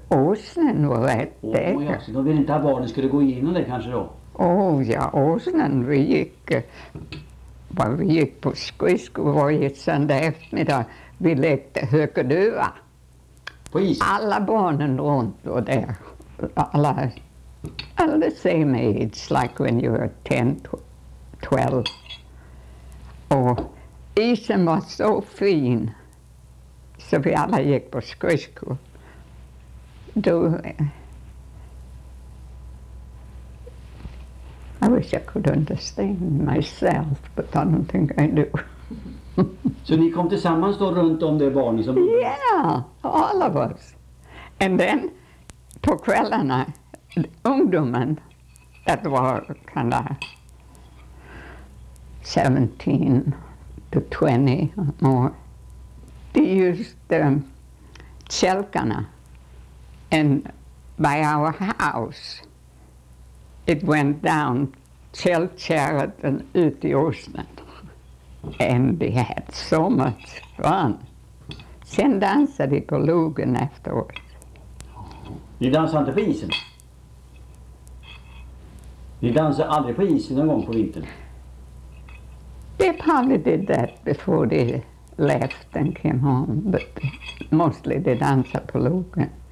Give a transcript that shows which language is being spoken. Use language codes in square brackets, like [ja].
[sv] Åsnen var rätt där. De vill inte att barnen skulle gå igenom det kanske då? Ja, åsnen, vi gick på skridskor varje söndag eftermiddag. Vi lekte hökadöva. På is? Alla barnen runt och där. [en] Alla, all the same age, like when you were 10, 12. [sv] Och isen var så fin. Så vi alla gick på skridskor. [en] I wish I could understand myself, but I don't think I do. [sv] Så ni kom tillsammans då runt om det barnet som... [en] Yeah, all of us. And then, [sv] på kvällarna, ungdomen, [en] that var kind of 17 to 20 or more, they used kälkarna. And by our house, it went down [sv] kälkärret ut i åsnen. [en] And they had so much fun. [sv] Sen dansade de på logen efteråt. Ni dansade inte på isen? Ni dansade aldrig på isen någon gång på vintern? [en] They probably did that before they left and came home, but mostly they [sv] dansade på logen.